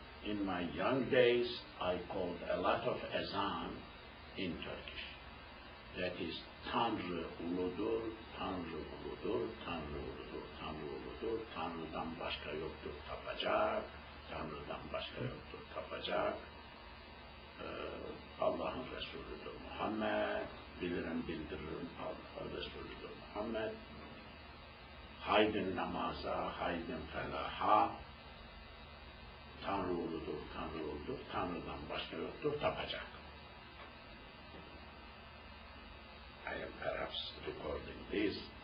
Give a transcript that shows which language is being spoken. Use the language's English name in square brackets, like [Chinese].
[English] In my young days, I called a lot of azan in Turkish. That is [Turkish] Tanrı uludur, Tanrı uludur, Tanrı uludur, Tanrı uludur, Tanrı'dan başka yoktur tapacak. Tanrı'dan başka yoktur tapacak. Allah'ın Resulü'dür Muhammed. Bilirim bildiririm Allah'ın Resulü'dür Muhammed. Haydin namaza, haydin felaha. Tanrı uludur, Tanrı uludur. Tanrı'dan başka yoktur tapacak. [English] I am perhaps recording this.